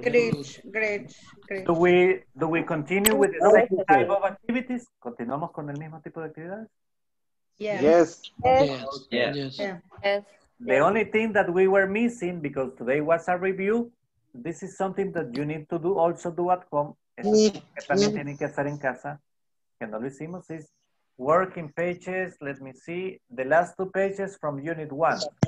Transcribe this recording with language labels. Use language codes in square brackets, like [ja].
[en] Great, great. Do we continue with the same type of activities? [es] ¿Continuamos con el mismo tipo de actividades? [en] Yes. Yes. Yes. Yes. Yes. Yes. Yes. The only thing that we were missing, because today was a review, this is something that you need to do, also do at home. [es] Eso que también tienen que hacer en casa, que no lo hicimos, [en] is working pages. Let me see the last two pages from unit one.